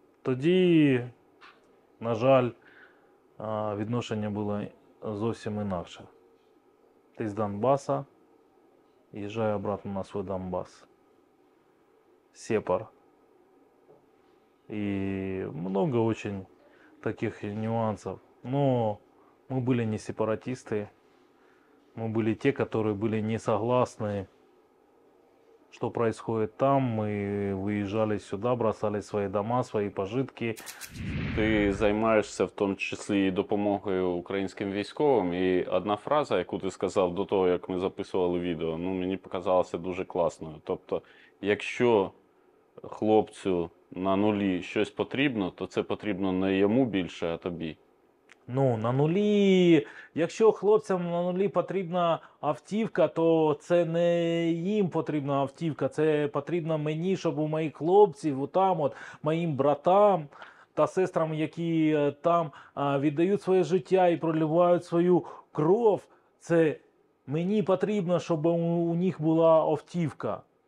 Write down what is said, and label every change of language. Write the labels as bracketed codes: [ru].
[uk] Тоді, на жаль, відношення було зовсім інакше. Ти з Донбаса, їжджай обратно на свій Донбас. Сєпар. [ru] І много очень таких нюансів. [uk] Но ми були не сепаратисти. [ru] Мы были те, которые были не согласны, что происходит там. Мы выезжали сюда, бросали свои дома, свои пожитки. Ты занимаешься в том числе и допомогою украинским військовим. И одна фраза, яку ты сказал до того, как мы записывали видео, ну, мне показалась очень классной. Тобто, если хлопцу на нулі что-то нужно, то это нужно не ему больше, а тебе. [uk] Ну, на нулі, якщо хлопцям на нулі потрібна автівка, то це не їм потрібна автівка, це потрібно мені, щоб у моїх хлопців, там от, моїм братам та сестрам, які там віддають своє життя і проливають свою кров, це мені потрібно, щоб у них була автівка.